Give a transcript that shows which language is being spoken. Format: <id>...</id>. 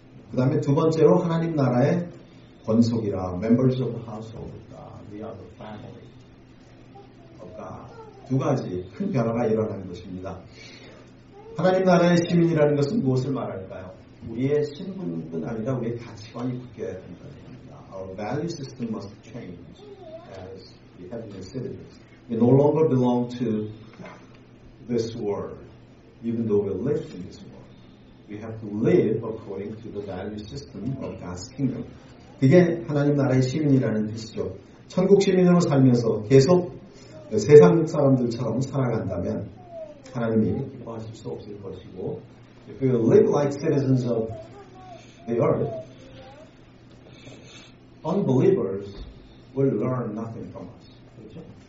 <ko>그 다음에 두 번째로 하나님 나라의 권속이라</ko> <en>members of the household. We are the family of God.</en> <ko>두 가지 큰 변화가 일어나는 것입니다. 하나님 나라의 시민이라는 것은 무엇을 말할까요? 우리의 신분뿐 아니라 우리의 가치관이 바뀌어야 된다는 겁니다.</ko> <en>Our value system must change as we have new citizens. We no longer belong to this world, even though we live in this world. We have to live according to the value system of God's kingdom.</en> <ko>그게 하나님 나라의 시민이라는 뜻이죠. 천국 시민으로 살면서 계속 세상 사람들처럼 살아간다면 하나님이 기뻐하실 수 없을 것이고</ko> <en>If you live like citizens of the earth unbelievers will learn nothing from us.</en> <ko>그렇죠?</ko>